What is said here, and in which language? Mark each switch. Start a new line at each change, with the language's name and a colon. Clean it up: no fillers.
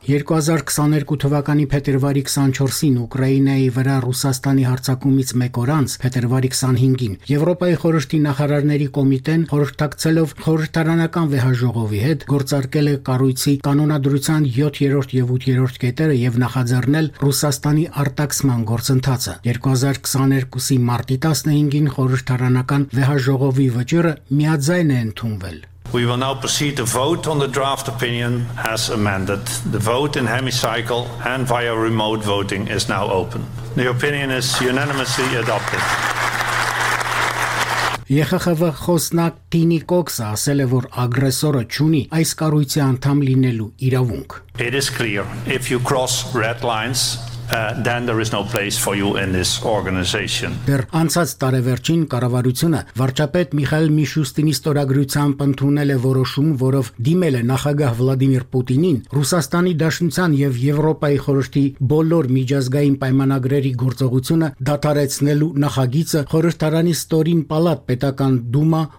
Armenian: 2022 թվականի փետրվարի 24-ին Ուկրաինայի վրա Ռուսաստանի հարձակումից մեկ օր անց, փետրվարի 25-ին, Եվրոպայի խորհրդի նախարարների կոմիտեն, խորհրդակցելով խորհրդարանական վեհաժողովի հետ, գործարկել է կառույցի կանոնադրության 7-րդ և 8-րդ կետերը և նախաձեռնել Ռուսաստանի արտաքսման գործընթացը։ 2022-ի մարտի 15-ին խորհրդարանական վեհաժողովի վճիռը միաձայն է ընդունվել։
English: We will now proceed to vote on the draft opinion as amended. The vote in hemicycle and via remote voting is now open. The opinion is unanimously adopted.
Armenian: ԵԽԽՎ-ի խոսնակ Տինի Կոքսը ասել է, որ ագրեսորը չունի այս կառույցի անդամ լինելու իրավունք։
English: It is clear if you cross red lines, then there is no place for you in this organization.
Armenian: Դեր անցած տարեվերջին կառավարությունը վարչապետ Միխայել Միշուստինի ստորագրությամբ ընդունել է որոշում, որով դիմել է նախագահ Վլադիմիր Պուտինին, Ռուսաստանի Դաշնության և Եվրոպայի խորհրդի բոլոր միջազգային պայմանագրերի գործողությունը դադարեցնելու նախագիծը խորհրդարանի ստորին պալատ պետական դումա